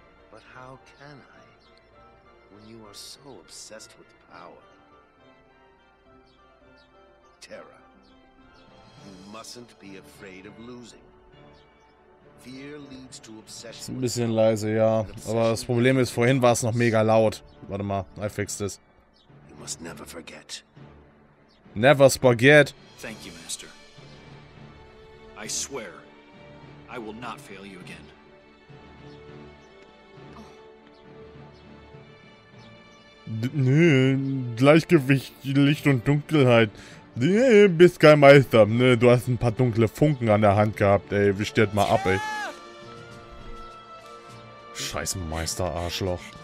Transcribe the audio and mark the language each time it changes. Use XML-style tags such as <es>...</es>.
<en>But how can I, when you are so obsessed with power? Terra, you mustn't be afraid of losing. Fear leads to obsession.</en> <de>Ein bisschen leise, ja. Aber das Problem ist, vorhin war es noch mega laut. Warte mal,</de> <en>I fixed this. You must never forget. Never spaghetti. Thank you, Master. I swear, I will not fail you again.</en> <de>Nö, Gleichgewicht, Licht und Dunkelheit. Du bist kein Meister, ne? Du hast ein paar dunkle Funken an der Hand gehabt, ey. Wisch dir mal ab, ey. Scheiß Meister-Arschloch.</de>